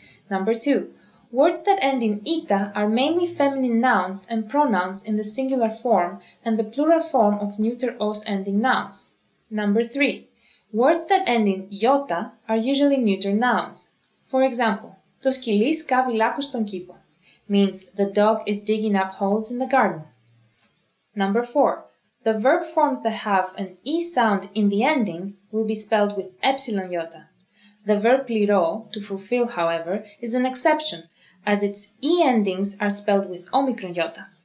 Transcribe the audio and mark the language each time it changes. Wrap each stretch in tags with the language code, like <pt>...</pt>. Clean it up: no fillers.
<en>Number two, words that end in ita are mainly feminine nouns and pronouns in the singular form and the plural form of neuter os-ending nouns. Number three, words that end in iota are usually neuter nouns. For example,</en> <el>Το σκυλί σκάβει λάκκους στον κήπο.</el> <en>Means the dog is digging up holes in the garden. Number 4. The verb forms that have an e sound in the ending will be spelled with epsilon iota. The verb pliro, to fulfill, however, is an exception, as its e endings are spelled with omicron iota.</en>